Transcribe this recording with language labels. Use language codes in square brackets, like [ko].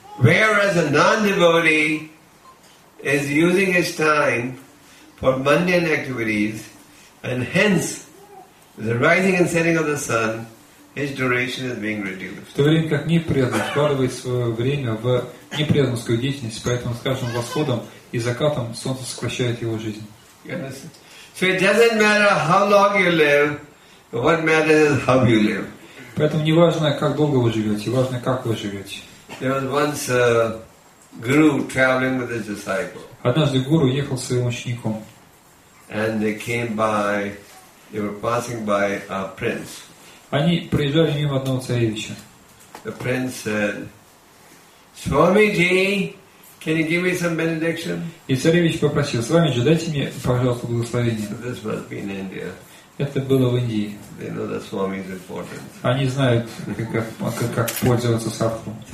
[en] Whereas a non-devotee is using his time for mundane activities, and hence the rising and setting of the sun, his duration is being reduced. [ru] В то время как непреданный вкладывает свое время в непреданскую деятельность, поэтому с каждым восходом и закатом солнце сокращает его жизнь. [en] Yes. So it doesn't matter how long you live, but what matters is how you live. [ru] Поэтому не важно, как долго вы живете, важно, как вы живете. [en] There was once a guru traveling with his disciple. [ru] Однажды гуру ехал с своим учеником. [en] And they came by, they were passing by a prince. [ru] Они проезжали мимо одного царевича. [en] The prince said, Swamiji, can you give me some benediction? [ru] И царевич попросил, Свамиджи, дайте мне, пожалуйста, благословение. [en] So this must be in India. [ru] Это было в Индии. [en] They know that Swami is important. [ru] Они знают, как пользоваться садху.